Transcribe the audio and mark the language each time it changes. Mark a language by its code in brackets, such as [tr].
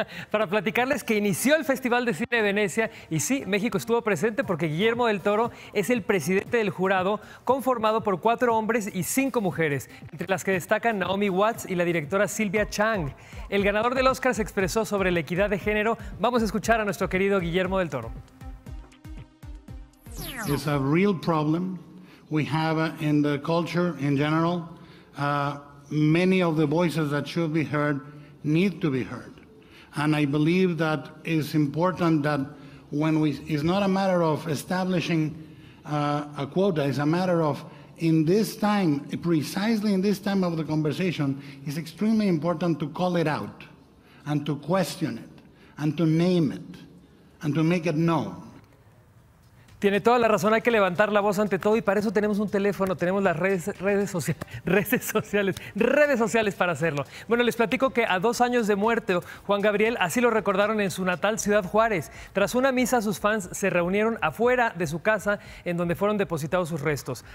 [es] Para platicarles que inició el Festival de Cine de Venecia y sí, México estuvo presente porque Guillermo del Toro es el presidente del jurado, conformado por 4 hombres y 5 mujeres, entre las que destacan Naomi Watts y la directora Silvia Chang. El ganador del Oscar se expresó sobre la equidad de género. Vamos a escuchar a nuestro querido Guillermo del Toro. [en] It's a real problem we have in the culture in general. Many of the voices that should be heard need to be heard. And I believe that it's important that it's not a matter of establishing a quota, it's a matter of, in this time, precisely in this time of the conversation, it's extremely important to call it out and to question it and to name it and to make it known. [es] Tiene toda la razón, hay que levantar la voz ante todo y para eso tenemos un teléfono, tenemos las redes sociales para hacerlo. Bueno, les platico que a 2 años de muerte, Juan Gabriel, así lo recordaron en su natal Ciudad Juárez. Tras una misa, sus fans se reunieron afuera de su casa en donde fueron depositados sus restos.